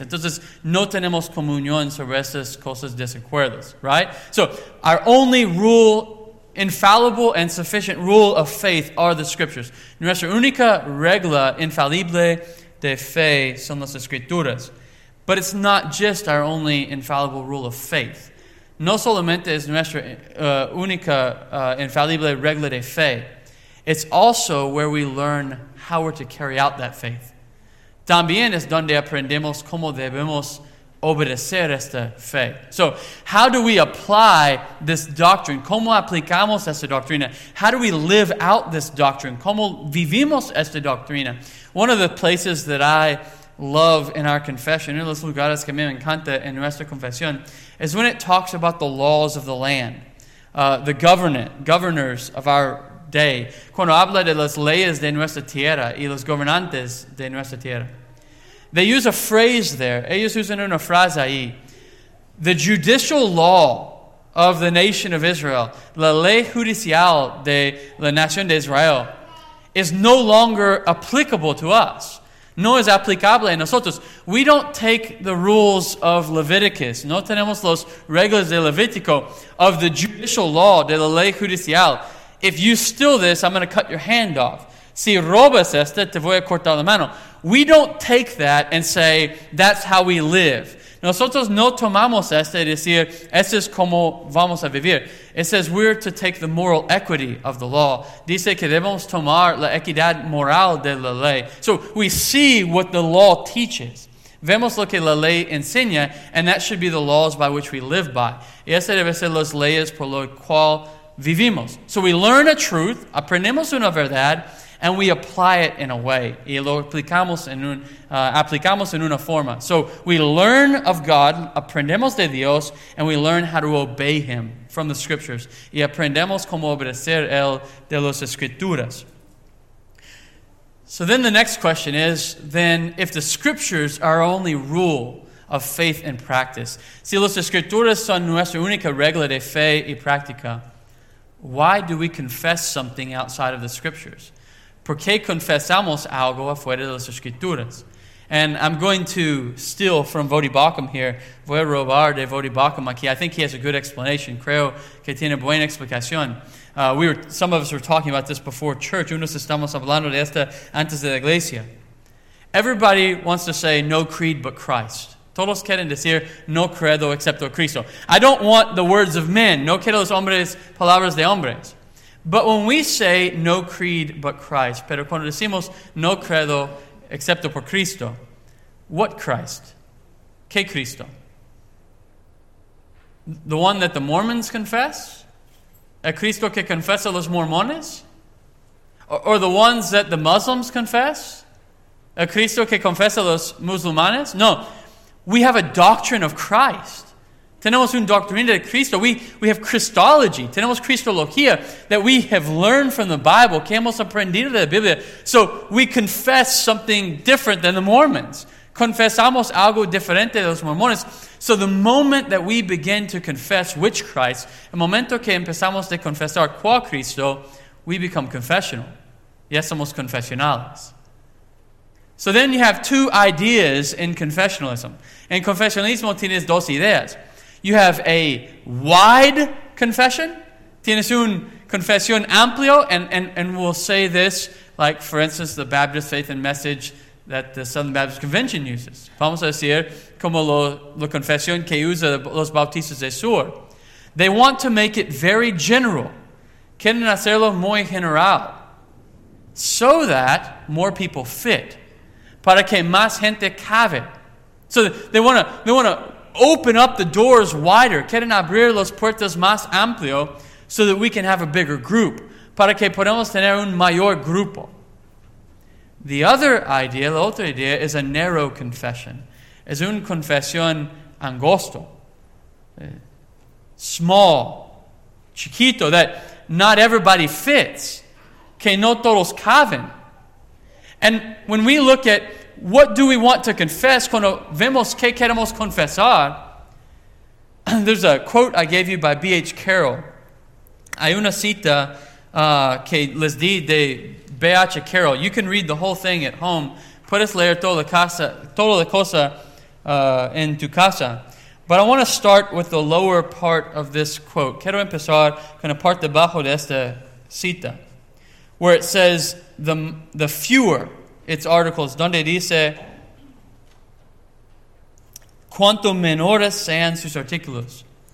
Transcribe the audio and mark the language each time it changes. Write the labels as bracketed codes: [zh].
[es] Entonces, no tenemos comunión sobre estas cosas desacuerdos, [en] right? So, our only rule infallible and sufficient rule of faith are the Scriptures. [es] Nuestra única regla infalible de fe son las Escrituras. [en] But it's not just our only infallible rule of faith. [es] No solamente es nuestra única infalible regla de fe. [en] It's also where we learn how we're to carry out that faith. [es] También es donde aprendemos cómo debemos obedecer esta fe. [en] So, how do we apply this doctrine? [es] ¿Cómo aplicamos esta doctrina? [en] How do we live out this doctrine? [es] ¿Cómo vivimos esta doctrina? [en] One of the places that I love in our confession, [es] uno de los lugares que me encanta en nuestra confesión, [en] is when it talks about the laws of the land, the governors of our day. [es] Cuando habla de las leyes de nuestra tierra y los gobernantes de nuestra tierra. [en] They use a phrase there. [es] Ellos usan una frase ahí. [en] The judicial law of the nation of Israel, [es] la ley judicial de la nación de Israel, [en] is no longer applicable to us. [es] No es aplicable a nosotros. [en] We don't take the rules of Leviticus. [es] No tenemos los reglas de Levítico [en] of the judicial law [es] de la ley judicial. [en] If you steal this, I'm going to cut your hand off. [es] Si robas esta, te voy a cortar la mano. [en] We don't take that and say, that's how we live. [es] Nosotros no tomamos esta y decir, esto es como vamos a vivir. [en] It says we're to take the moral equity of the law. [es] Dice que debemos tomar la equidad moral de la ley. [en] So we see what the law teaches. [es] Vemos lo que la ley enseña, [en] and that should be the laws by which we live by. [es] Y esa debe ser las leyes por lo cual vivimos. [en] So we learn a truth, [es] aprendemos una verdad, [en] and we apply it in a way. [es] Y lo aplicamos en una forma. [en] So we learn of God, [es] aprendemos de Dios, [en] and we learn how to obey Him from the Scriptures. [es] Y aprendemos cómo obedecer Él de las Escrituras. [en] So then the next question is, then if the Scriptures are our only rule of faith and practice, [es] si las Escrituras son nuestra única regla de fe y práctica, [en] why do we confess something outside of the Scriptures? [es] ¿Por qué confesamos algo afuera de las Escrituras? [en] And I'm going to steal from Vody Bakum here. [es] Voy a robar de Vody Bakum aquí. [en] I think he has a good explanation. [es] Creo que tiene buena explicación. [en] Some of us were talking about this before church. [es] Unos estamos hablando de esta antes de la iglesia. [en] Everybody wants to say no creed but Christ. [es] Todos quieren decir no credo excepto Cristo. [en] I don't want the words of men. [es] No quiero los hombres, palabras de hombres. [en] But when we say no creed but Christ, [es] pero cuando decimos no credo excepto por Cristo, [en] what Christ? [es] ¿Qué Cristo? [en] The one that the Mormons confess? [es] ¿El Cristo que confesan los mormones? [en] Or the ones that the Muslims confess? [es] ¿El Cristo que confesan los musulmanes? [en] No. We have a doctrine of Christ. [es] Tenemos un doctrina de Cristo. [en] We have Christology. [es] Tenemos Cristología [en] that we have learned from the Bible. [es] Que hemos aprendido de la Biblia. [en] So we confess something different than the Mormons. [es] Confesamos algo diferente de los Mormones. [en] So the moment that we begin to confess which Christ, [es] el momento que empezamos de confesar cuál Cristo, [en] we become confessional. [es] Ya somos confesionales. [en] So then you have two ideas in confessionalism. [es] En confesionalismo tienes dos ideas. [en] You have a wide confession. [es] Tienes un confesión amplio. [en] And we'll say this, like, for instance, the Baptist Faith and Message that the Southern Baptist Convention uses. [es] Vamos a decir, como la confesión que usa los bautistas del sur. [en] They want to make it very general. [es] Quieren hacerlo muy general. [en] So that more people fit. [es] Para que más gente cabe. [en] So they want to open up the doors wider. [es] Quieren abrir las puertas más amplio [en] so that we can have a bigger group. [es] Para que podamos tener un mayor grupo. [en] The other idea, [es] la otra idea, [en] is a narrow confession. [es] Es un confesión angosto. [en] Small. [es] Chiquito. That not everybody fits. Que no todos caben. [en] And when we look at what do we want to confess? [es] Cuando vemos qué queremos confesar, [en] there's a quote I gave you by B.H. [es] Carroll. Hay una cita que les di de B.H. Carroll. [en] You can read the whole thing at home. [es] Puedes leer toda la cosa en tu casa. [en] But I want to start with the lower part of this quote. [es] Quiero empezar con la parte bajo de esta cita, [en] where it says the fewer its articles, [es] donde dice cuanto menores sean sus artículos.